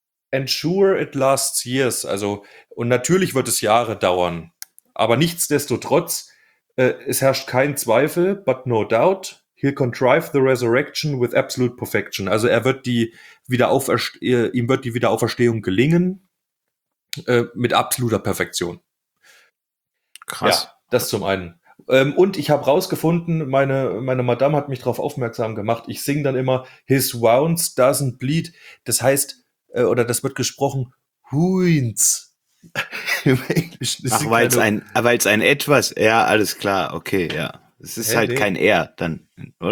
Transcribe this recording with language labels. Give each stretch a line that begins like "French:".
English: Ensure it lasts years,
German: also und natürlich wird es Jahre dauern, aber nichtsdestotrotz, es herrscht kein Zweifel,
English: but no doubt, he'll contrive the resurrection with absolute perfection.
German: Also er wird die ihm wird die Wiederauferstehung gelingen mit absoluter Perfektion. Krass. Ja, das zum einen. Und ich habe rausgefunden, meine Madame hat mich darauf aufmerksam gemacht. Ich singe dann immer
English: his wounds doesn't bleed.
German: Das heißt oder das wird gesprochen wounds. Im Englischen ist weil es ein etwas. Ja, alles klar. Okay, ja. Es ist halt kein R dann, oder?